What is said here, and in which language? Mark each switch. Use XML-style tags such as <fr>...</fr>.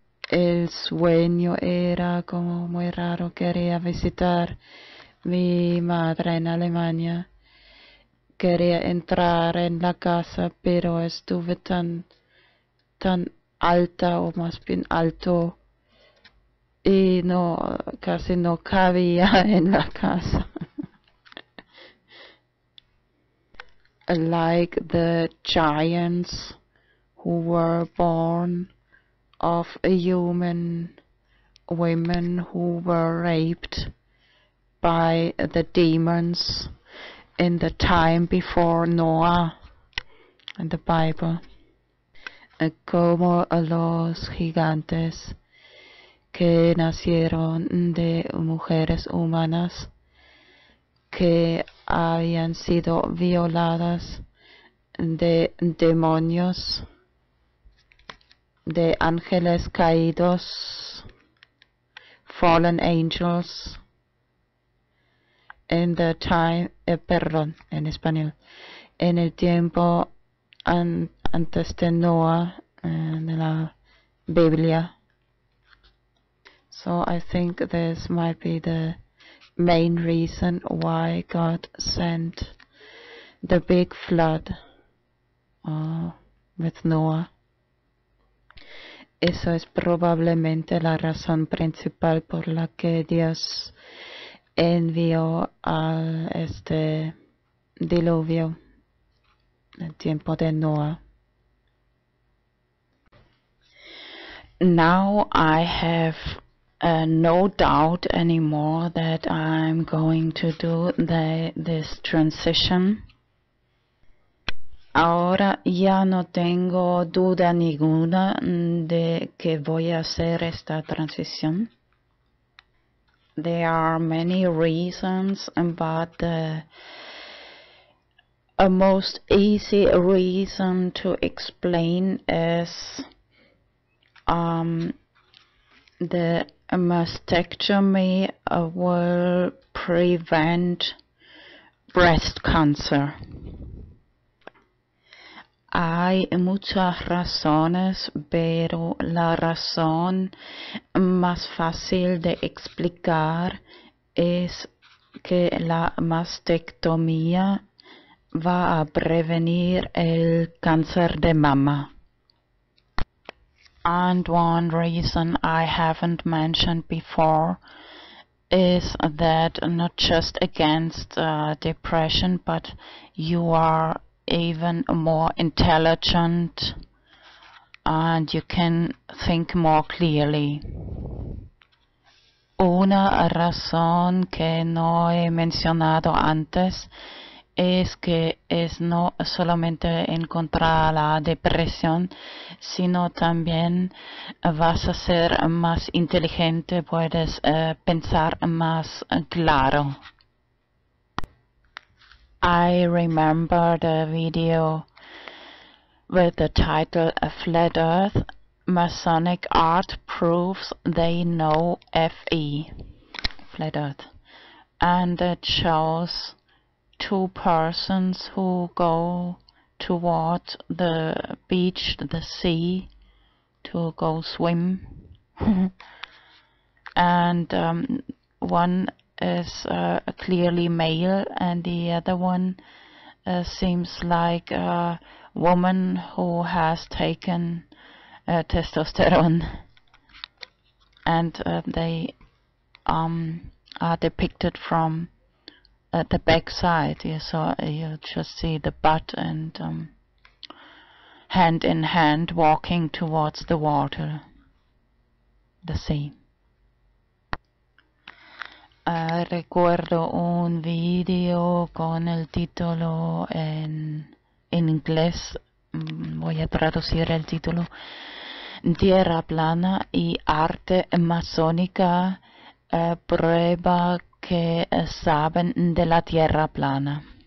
<es>El sueño era como muy raro, quería visitar mi madre en Alemania, quería entrar en la casa, pero estuve tan alta, o más bien alto, y no, casi no cabía en la casa.</es> <en>Like the giants who were born of human women who were raped by the demons in the time before Noah in the Bible.</en> <es>Como los gigantes que nacieron de mujeres humanas que habían sido violadas de demonios, de ángeles caídos,</es> <en>fallen angels, in the time,</en> <es>perdón, en español, en el tiempo antes de Noah, de la Biblia.</es> <en>So I think this might be the main reason why God sent the big flood with Noah.</en> <es>Eso es probablemente la razón principal por la que Dios envió a este diluvio en el tiempo de Noah.</es> <en>Now I have no doubt anymore that I'm going to do this transition.</en> <es>Ahora ya no tengo duda ninguna de que voy a hacer esta transición.</es> <en>There are many reasons, but a most easy reason to explain is the mastectomy will prevent breast cancer.</en> <es>Hay muchas razones, pero la razón más fácil de explicar es que la mastectomía va a prevenir el cáncer de mama.</es> <en>And one reason I haven't mentioned before is that not just against depression, but you are even more intelligent and you can think more clearly.</en> <es>Una razón que no he mencionado antes es que es no solamente en contra de la depresión, sino también vas a ser más inteligente, puedes pensar más claro.</es> <en>I remember the video with the title Flat Earth, Masonic Art Proves They Know FE, Flat Earth, and it shows two persons who go toward the beach, the sea, to go swim, and one is clearly male and the other one seems like a woman who has taken testosterone, and they are depicted from the back side, yeah, so you just see the butt and hand in hand walking towards the water, the sea.</en> <es>Recuerdo un video con el título en inglés, voy a traducir el título, Tierra plana y arte masónica prueba que saben de la tierra plana.</es>